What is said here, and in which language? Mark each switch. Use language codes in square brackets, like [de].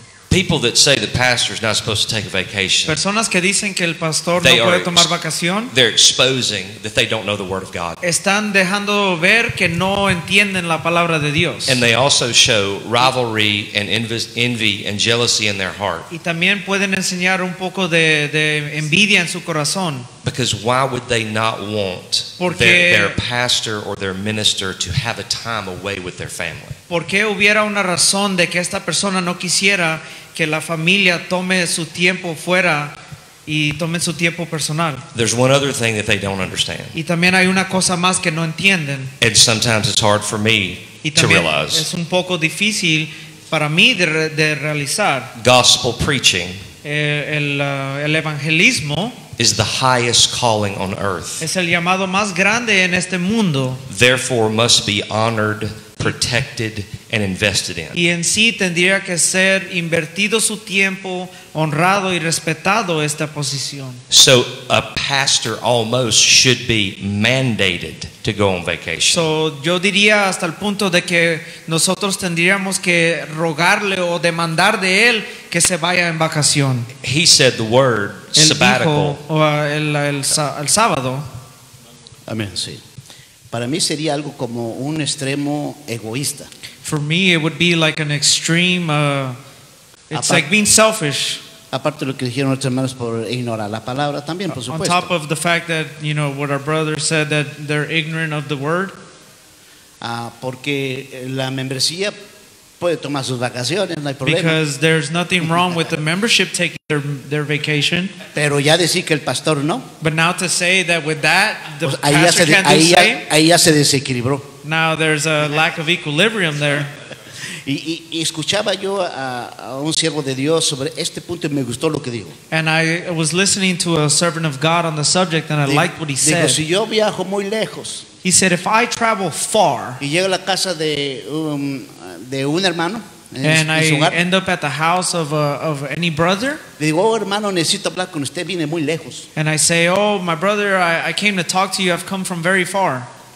[en] People that say the pastor is not supposed to take a vacation. [es] Personas que dicen que el pastor no puede tomar vacación. [en] They're exposing that they don't know the word of God. [es] Están dejando ver que no entienden la palabra de Dios. [en] And they also show rivalry and envy and jealousy in their heart. [es] Y también pueden enseñar un poco de envidia en su corazón. [en] Because why would they not want their pastor or their minister to have a time away with their family? [es] ¿Por qué hubiera una razón de que esta persona no quisiera que la familia tome su tiempo fuera y tome su tiempo personal? [en] There's one other thing that they don't understand. [es] Y también hay una cosa más que no entienden. [en] And sometimes it's hard for me to realize. [es] Es un poco difícil para mí de realizar. [en] Gospel preaching. [es] El evangelismo. [en] Is the highest calling on earth. [es] Es el llamado más grande en este mundo. [en] Therefore, must be honored, protected, and invested in. [es] Y en sí tendría que ser invertido su tiempo, honrado y respetado esta posición. [en] So a pastor almost should be mandated to go on vacation. [es] So yo diría hasta el punto de que nosotros tendríamos que rogarle o demandar de él que se vaya en vacación. [en] He said the word [es] él [en] sabbatical. [es] Dijo, el sábado. Amén, sí. Para mí sería algo como un extremo egoísta. [en] For me, it would be like an extreme. It's like being selfish. [es] Aparte de lo que dijeron nuestros hermanos por ignorar la palabra, también, por supuesto. [en] On top of the fact that you know what our brother said that they're ignorant of the word. [es] Porque la membresía puede tomar sus vacaciones, no hay problema. [en] Because there's nothing wrong with the membership taking their vacation. [es] Pero ya decir que el pastor no. [en] But now to say that with that, the pues ahí pastor can't ahí, ya, [es] ahí ya se desequilibró. [en] Now there's a lack of equilibrium there. [es] Y escuchaba yo a un siervo de Dios sobre este punto y me gustó lo que dijo. [en] And I was listening to a servant of God on the subject and I liked what he said. [es] Digo, si yo viajo muy lejos. [en] He said, if I travel far. [es] Y llego a la casa de de un hermano en su hogar. [en] And I end up at the house of any brother. [es] Le digo, oh, hermano, necesito hablar con usted, vine muy lejos. [en] And I say, oh, my brother, I came to talk to you, I've come from very far.